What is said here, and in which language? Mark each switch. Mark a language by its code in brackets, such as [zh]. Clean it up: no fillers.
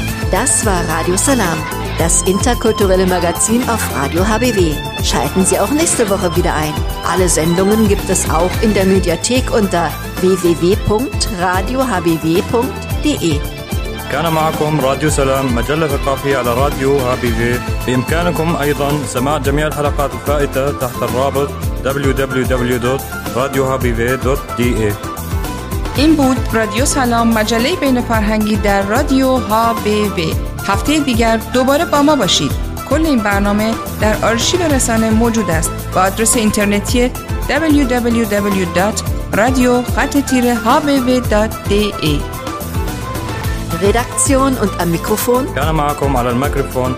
[de] Das war Radio Salam, das interkulturelle Magazin auf Radio HBW. Schalten Sie auch nächste Woche wieder ein. Alle Sendungen gibt es auch in der Mediathek unter www.radiohbw.de. [ar] كان معكم راديو سلام، مجلة ثقافية على راديو HBW. بإمكانكم أيضا سماع جميع الحلقات الفائتة تحت الرابط www.radiohbw.de. [fa] این بود رادیو سلام، مجله بین فرهنگی در رادیو HBB. هفته دیگر دوباره با ما باشید. کل این برنامه در آرشیو رسانه موجود است با آدرس اینترنتی www.radio-hbb.de. [de] Redaktion und am Mikrofon [ar] Gana Markum على المايكروفون.